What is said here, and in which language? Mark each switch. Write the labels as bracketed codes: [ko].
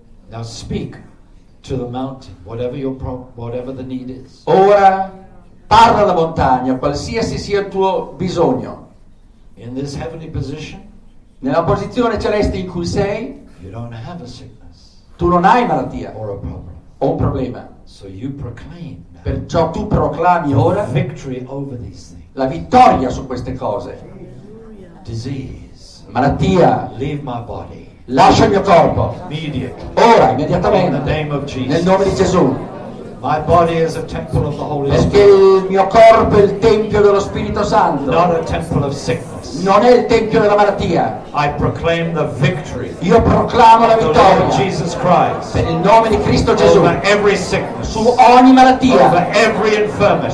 [en] Now speak to the mountain, whatever your whatever the need is. [it] Ora parla alla montagna, qualsiasi sia il tuo bisogno. [en] In this heavenly position, [it] nella posizione celeste in cui sei, [en] you don't have a sickness. [it] Tu non hai malattia. [en] Or a problem. [it] O un problema. [en] So you proclaim. [it] Perciò tu proclami ora [en] victory over these things. [it] La vittoria su queste cose. [en] Disease. [it] Malattia. [en] Leave my body. [it] Lascia il mio corpo ora immediatamente [en] in the name of Jesus. [it] Nel nome di Gesù. [en] My body is a temple of the Holy Spirit. [it] Perché il mio corpo è il tempio dello Spirito Santo. [en] Not a temple of sickness. [it] Non è il tempio della malattia. [en] I proclaim the victory. [it] Io proclamo la vittoria [en] the Lord Jesus Christ. [it] Per il nome di Cristo Gesù. [en] Over every sickness. [it] Su ogni malattia. [en] Over every infirmity.